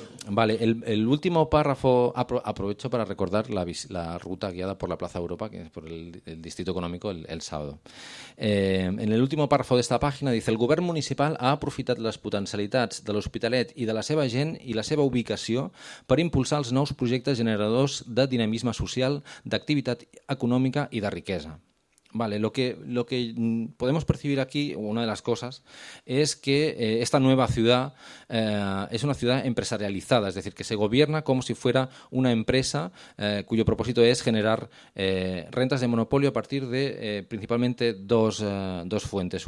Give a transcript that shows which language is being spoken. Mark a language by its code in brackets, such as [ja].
[es] Vale, el último párrafo, aprovecho para recordar la ruta guiada por la Plaza Europa, que es por el Distrito Económico, el sábado. En el último párrafo d'esta pàgina dice: [ca] el govern municipal ha aprofitat les potencialitats de l'Hospitalet i de la seva gent i la seva ubicació per impulsar els nous projectes generadors de dinamisme social, d'activitat econòmica i de riquesa. [es] Vale, lo que podemos percibir aquí, una de las cosas, es que esta nueva ciudad es una ciudad empresarializada, es decir, que se gobierna como si fuera una empresa cuyo propósito es generar rentas de monopolio a partir de principalmente dos fuentes.